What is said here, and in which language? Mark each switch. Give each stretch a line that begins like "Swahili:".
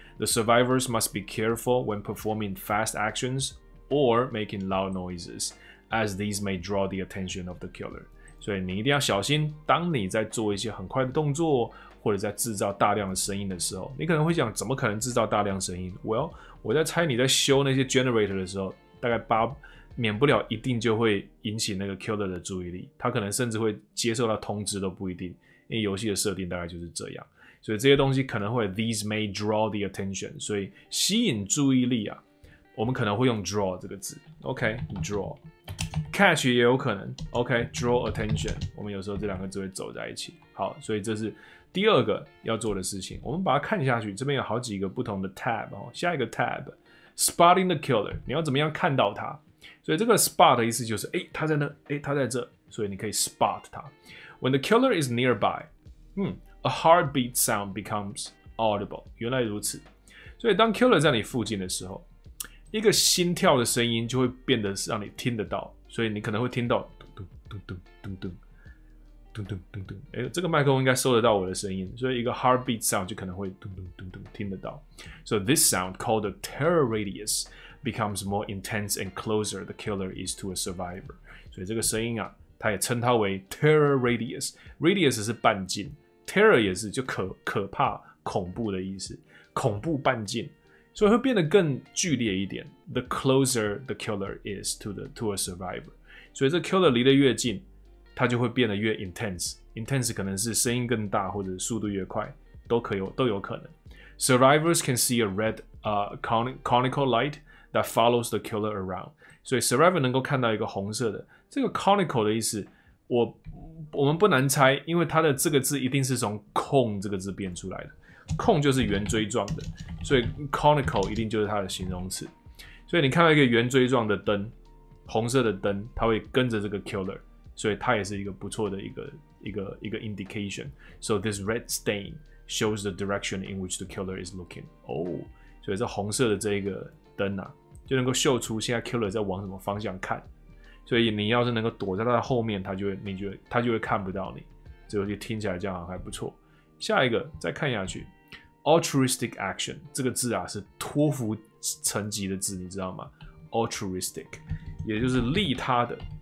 English: The survivors must be careful when performing fast actions or making loud noises, as these may draw the attention of the killer.
Chinese: 所以你一定要小心，当你在做一些很快的动作，或者在制造大量的声音的时候，你可能会想，怎么可能制造大量声音 ？Well， 我在猜你在修那些 generator 的时候，大概免不了一定就会引起那个 killer 的注意力，他可能甚至会接受到通知都不一定，因为游戏的设定大概就是这样。所以这些东西可能会
English: these may draw the attention，
Chinese: 所以吸引注意力啊，我们可能会用 draw 这个字 ，OK draw， catch 也有可能 ，OK draw attention， 我们有时候这两个字会走在一起。好，所以这是第二个要做的事情，我们把它看下去，这边有好几个不同的 tab 哦，下一个 tab spotting the killer， 你要怎么样看到它？所以这个 spot 的意思就是，哎，他在那，哎，他在这，所以你可以 spot 他。
English: When the killer is nearby， A heartbeat sound becomes audible.
Chinese: 原来如此，所以当 killer 在你附近的时候，一个心跳的声音就会变得让你听得到，所以你可能会听到咚咚咚咚咚咚咚咚咚咚。哎，这个麦克风应该收得到我的声音，所以一个 heartbeat sound 就可能会咚咚咚咚听得到。
English: So this sound called the terror radius becomes more intense and closer the killer is to a survivor.
Chinese: 所以这个声音啊，它也称它为 terror radius. Radius 是半径。 Terror 也是就可怕恐怖的意思，恐怖半径，所以会变得更剧烈一点。
English: The closer the killer is to a survivor，
Chinese: 所以这 killer 离得越近，它就会变得越 intense。 Intense 可能是声音更大，或者速度越快，都有可能。
English: Survivors can see a red conical light that follows the killer around，
Chinese: 所以 survivor 能够看到一个红色的这个 conical 的意思。我们不难猜，因为它的这个字一定是从 cone 这个字变出来的， cone 就是圆锥状的，所以 conical 一定就是它的形容词。所以你看到一个圆锥状的灯，红色的灯，它会跟着这个 killer， 所以它也是一个不错的一个 indication。
English: So this red stain shows the direction in which the killer is looking.
Chinese: 哦，所以这红色的这个灯啊，就能够秀出现在 killer 在往什么方向看。所以你要是能够躲在他的后面，他就会看不到你。这个听起来这样还不错。下一个再看下去 ，altruistic action 这个字啊是托福层级的字，你知道吗 ？altruistic 也就是利他的。